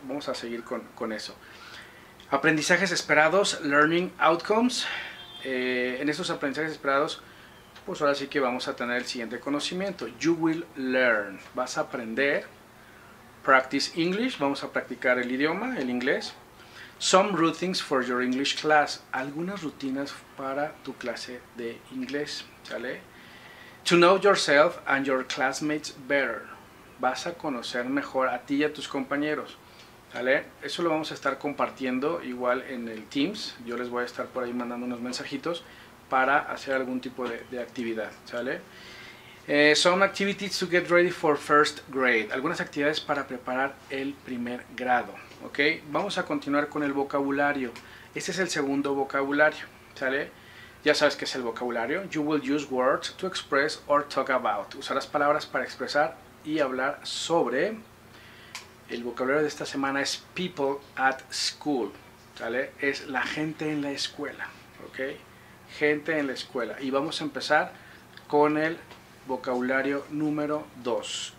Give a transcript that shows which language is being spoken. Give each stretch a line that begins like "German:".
Spanish: Vamos a seguir con eso. Aprendizajes esperados,
English: learning outcomes.
Spanish: En estos aprendizajes esperados, pues ahora sí que vamos a tener el siguiente conocimiento.
English: You will learn.
Spanish: Vas a aprender.
English: Practice English.
Spanish: Vamos a practicar el idioma, el inglés.
English: Some routines for your English class.
Spanish: Algunas rutinas para tu clase de inglés. ¿Sale?
English: To know yourself and your classmates better.
Spanish: Vas a conocer mejor a ti y a tus compañeros. ¿Sale? Eso lo vamos a estar compartiendo igual en el Teams. Yo les voy a estar por ahí mandando unos mensajitos para hacer algún tipo de actividad, ¿sale?
English: Some activities to get ready for first grade.
Spanish: Algunas actividades para preparar el primer grado, ¿ok? Vamos a continuar con el vocabulario. Este es el segundo vocabulario, ¿sale? Ya sabes qué es el vocabulario.
English: You will use words to express or talk about.
Spanish: Usarás palabras para expresar y hablar sobre. El vocabulario de esta semana es
English: people at school,
Spanish: ¿sale? Es la gente en la escuela, ¿ok? Gente en la escuela. Y vamos a empezar con el vocabulario número 2.